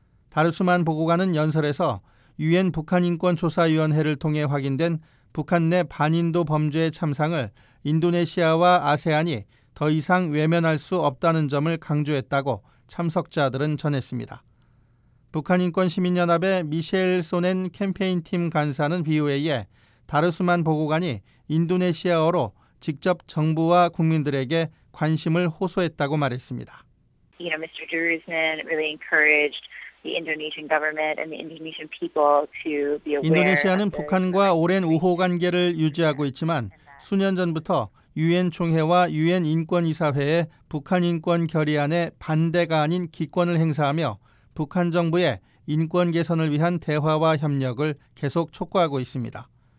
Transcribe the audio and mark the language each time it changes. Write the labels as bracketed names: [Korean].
[Korean] 다르수만 보고관은 연설에서 유엔 북한인권조사위원회를 통해 확인된 북한 내 반인도 범죄의 참상을 인도네시아와 아세안이 더 이상 외면할 수 없다는 점을 강조했다고 참석자들은 전했습니다. 북한인권시민연합의 미셸 소넨 캠페인팀 간사는 VOA에 다르수만 보고관이 인도네시아어로 직접 정부와 국민들에게 관심을 호소했다고 말했습니다. [English] You know, Mr. Daruzman really encouraged the Indonesian government and the Indonesian people to be aware. [Korean] 인도네시아는 북한과 오랜 우호 관계를 유지하고 있지만 수년 전부터 유엔 총회와 유엔 인권이사회의 북한 인권 결의안에 반대가 아닌 기권을 행사하며 북한 정부의 인권 개선을 위한 대화와 협력을 계속 촉구하고 있습니다.